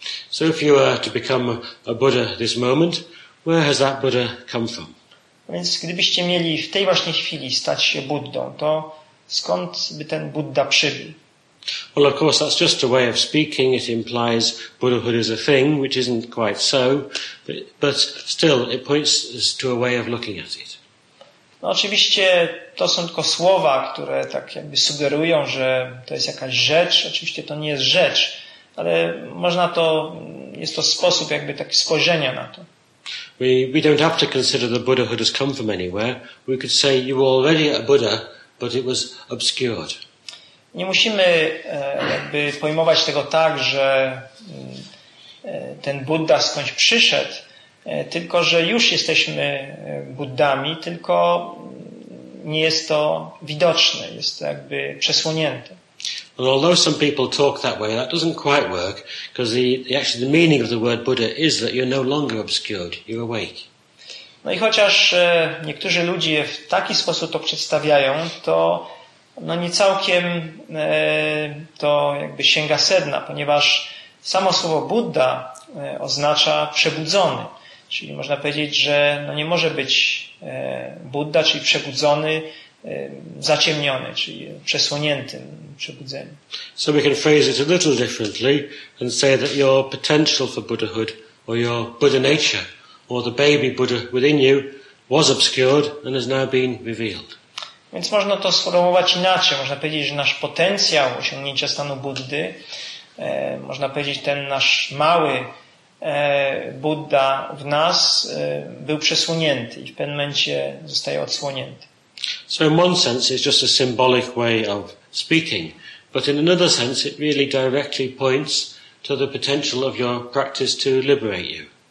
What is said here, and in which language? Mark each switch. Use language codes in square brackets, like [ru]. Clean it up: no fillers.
[en] So if you were to become a Buddha this moment, where has that Buddha come from? [pl] Więc gdybyście mieli w tej właśnie chwili stać się Buddą, to skąd by ten Budda przybył? [en] Well, of course, that's just a way of speaking. It implies Buddhahood is a thing, which isn't quite so, but still, it points to a way of looking at it. [pl] No, oczywiście to są tylko słowa, które tak jakby sugerują, że to jest jakaś rzecz. Oczywiście to nie jest rzecz, ale można to, jest to sposób jakby takiego spojrzenia na to. [en] We don't have to consider the Buddhahood has come from anywhere. We could say you were already a Buddha, but it was obscured. [pl] Nie musimy jakby pojmować tego tak, że ten Budda skądś przyszedł, tylko że już jesteśmy Buddami, tylko nie jest to widoczne, jest to jakby przesłonięte. [en] And although some people talk that way, that doesn't quite work, because the meaning of the word Buddha is that you're no longer obscured, you're awake. [pl] No i chociaż niektórzy ludzie w taki sposób to przedstawiają, to no nie całkiem to jakby sięga sedna, ponieważ samo słowo Budda oznacza przebudzony. Czyli można powiedzieć, że no nie może być Budda, czyli przebudzony, zaciemniony, czyli przesłonięty. [en] So we can phrase it a little differently and say that your potential for Buddhahood or your Buddha nature or the baby Buddha within you was obscured and has now been revealed. [pl] Więc można to sformułować inaczej. Można powiedzieć, że nasz potencjał osiągnięcia stanu Buddy, można powiedzieć, ten nasz mały Buddha w nas był przesłonięty i w pewnym momencie zostaje odsłonięty. [en] So in one sense it's just a symbolic way of speaking, but in another sense it really directly points to the potential of your practice to liberate you.